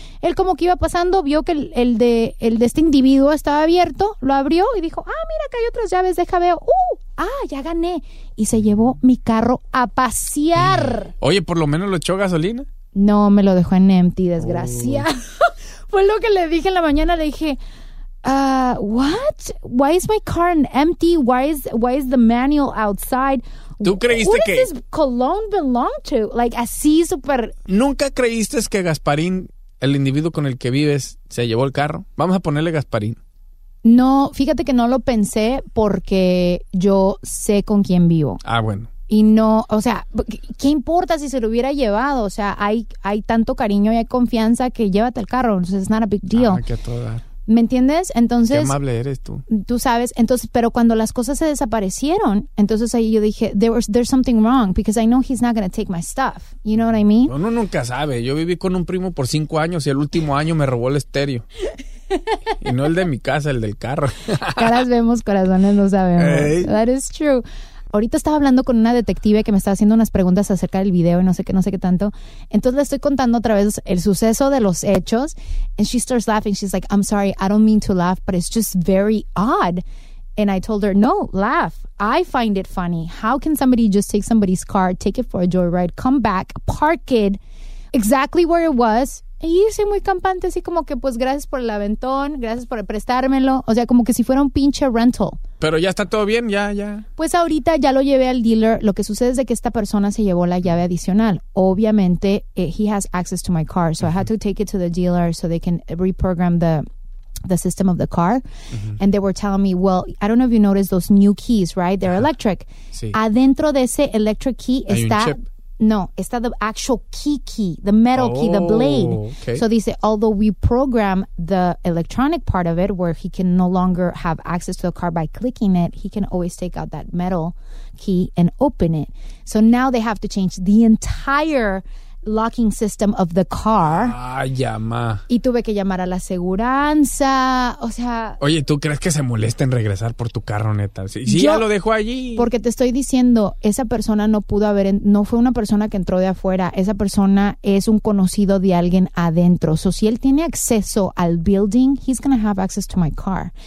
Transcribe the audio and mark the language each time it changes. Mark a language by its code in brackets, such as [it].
[es] Él como que iba pasando, vio que el de este individuo estaba abierto, lo abrió y dijo, ah, mira, acá hay otras llaves, deja veo. Ya gané. Y se llevó mi carro a pasear. Oye, ¿por lo menos lo echó gasolina? No, me lo dejó en empty, desgraciado. Fue lo que le dije en la mañana, le dije... [en] what? Why is my car empty? Why is the manual outside? [es] ¿Tú creíste [en] what [es] que [en] does this cologne belong to? Like, [es] así super. ¿Nunca creíste que Gasparín, el individuo con el que vives, se llevó el carro? Vamos a ponerle Gasparín. No, fíjate que no lo pensé porque yo sé con quién vivo. Ah, bueno. Y no, o sea, ¿qué importa si se lo hubiera llevado? O sea, hay tanto cariño y hay confianza que llévate el carro. Entonces, [en] it's not a big deal. [es] Ah, que a todo dar. ¿Me entiendes? Entonces, qué amable eres tú. Tú sabes, entonces, pero cuando las cosas se desaparecieron, entonces ahí yo dije, [en] there's something wrong because I know he's not going to take my stuff. You know what I mean? [es] Uno nunca sabe. Yo viví con un primo por 5 años y el último año me robó el estéreo. Y no el de mi casa, el del carro. Caras vemos, corazones no sabemos. Hey. That is true. Ahorita estaba hablando con una detective que me estaba haciendo unas preguntas acerca del video y no sé qué tanto. Entonces le estoy contando otra vez el suceso de los hechos. [en] And she starts laughing. She's like, I'm sorry, I don't mean to laugh, but it's just very odd. And I told her, no, laugh. I find it funny. How can somebody just take somebody's car, take it for a joyride, come back, park it exactly where it was, [es] y irse muy campante, así como que, pues, gracias por el aventón, gracias por prestármelo. O sea, como que si fuera un pinche rental. Pero ya está todo bien, ya. Pues ahorita ya lo llevé al dealer. Lo que sucede es de que esta persona se llevó la llave adicional. [en] Obviamente, he has access to my car, so uh-huh. I had to take it to the dealer so they can reprogram the system of the car. Uh-huh. And they were telling me, well, I don't know if you noticed those new keys, right? They're uh-huh. electric. [es] Sí. Adentro de ese [en] electric key está... [es] No, está [en] the actual key, the metal key, the blade. Okay. So they say, although we program the electronic part of it where he can no longer have access to the car by clicking it, he can always take out that metal key and open it. So now they have to change the entire locking system of the car. [es] Ay, ma. Y tuve que llamar a la aseguranza, o sea... Oye, ¿tú crees que se molesta en regresar por tu carro, neta? Sí, ya lo dejó allí. Porque te estoy diciendo, esa persona no pudo haber... No fue una persona que entró de afuera. Esa persona es un conocido de alguien adentro. [en] So, [es] si él tiene acceso al [en] building, he's gonna have access to my car.